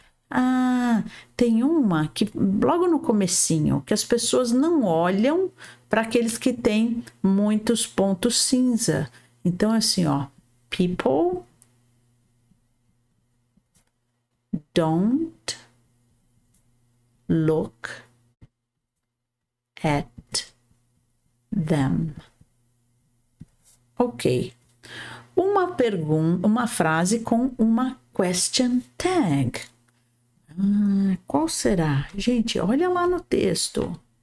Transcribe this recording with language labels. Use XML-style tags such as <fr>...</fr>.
<pt>Ah, tem uma que logo no comecinho, que as pessoas não olham para aqueles que têm muitos pontos cinza.</pt> <en>Então, assim, ó, people don't look at them. Ok.</en> <pt>Uma frase com uma question tag. Qual será? Gente, olha lá no texto.</pt>